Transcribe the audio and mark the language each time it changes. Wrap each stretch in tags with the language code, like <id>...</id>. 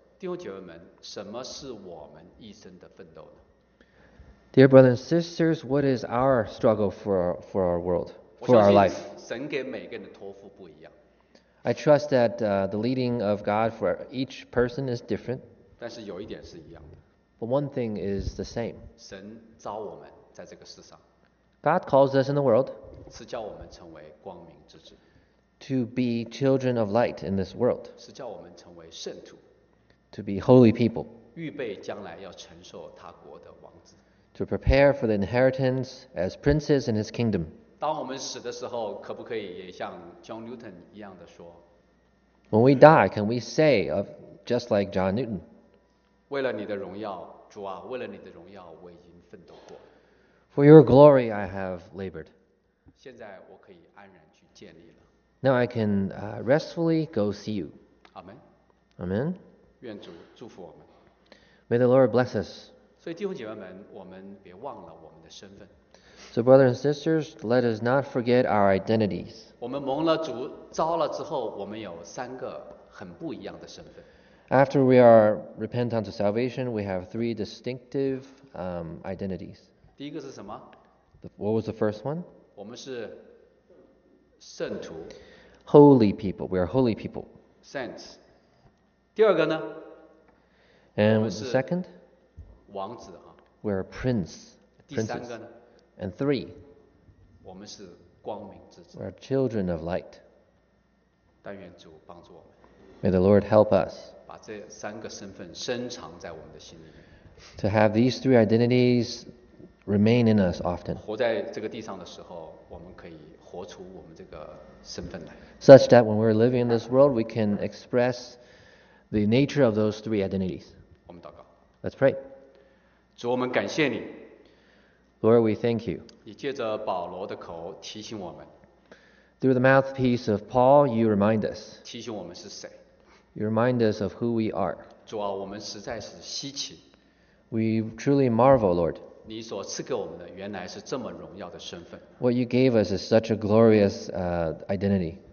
<zh>弟兄姐妹们，什么是我们一生的奋斗呢？</zh> <en>Dear brothers and sisters, what is our struggle for our world, for our life?</en> <zh>我相信神给每个人的托付不一样。</zh> <en>I trust that the leading of God for each person is different.</en> <zh>但是有一点是一样的。</zh> <en>But one thing is the same.</en> <zh>神召我们在这个世上。</zh> <en>God calls us in the world.</en> <zh>是叫我们成为光明之子。</zh> <en>To be children of light in this world.</en> <zh>是叫我们成为圣徒。</zh> <en>To be holy people.</en> <zh>预备将来要承受他国的王子。</zh> <en>To prepare for the inheritance as princes in his kingdom.</en> <zh>当我们死的时候，可不可以也像 John Newton 一样的说？</zh> <en>When we die, can we say of just like John Newton?</en> <zh>为了你的荣耀，主啊，为了你的荣耀，我已经奋斗过。</zh> <en>For your glory, I have labored.</en> <zh>现在我可以安然去见你了。</zh> <en>Now I can restfully go see you. Amen. Amen.</en> <zh>愿主祝福我们。</zh> <en>May the Lord bless us.</en> <zh>所以弟兄姐妹们，我们别忘了我们的身份。</zh> <en>So brothers and sisters, let us not forget our identities.</en> <zh>我们蒙了主召了之后，我们有三个很不一样的身份。</zh> <en>After we are repent unto salvation, we have three distinctive identities.</en> <zh>第一个是什么？</zh> <en>What was the first one?</en> <zh>我们是圣徒。</zh> <en>Holy people. We are holy people.</en> <zh>Saints. 第二个呢？</zh> <en>And the second?</en> <zh>王子啊。</zh> <en>We are prince.</en> <zh>第三个呢？</zh> <en>And three?</en> <zh>我们是光明之子。</zh> <en>We are children of light.</en> <zh>但愿主帮助我们。</zh> <en>May the Lord help us.</en> <zh>把这三个身份深藏在我们的心里面。</zh> <en>To have these three identities remain in us often.</en> <zh>活在这个地上的时候，我们可以活出我们这个身份来。</zh> <en>Such that when we're living in this world, we can express the nature of those three identities.</en> <zh>我们祷告。</zh> <en>Let's pray.</en> <zh>主，我们感谢你。</zh> <en>Lord, we thank you.</en> <zh>你借着保罗的口提醒我们。</zh> <en>Through the mouthpiece of Paul, you remind us.</en> <zh>提醒我们是谁。</zh> <en>You remind us of who we are.</en> <zh>主啊，我们实在是稀奇。</zh> <en>We truly marvel, Lord.</en> <zh>你所赐给我们的原来是这么荣耀的身份。</zh> <en>What you gave us is such a glorious identity.</en>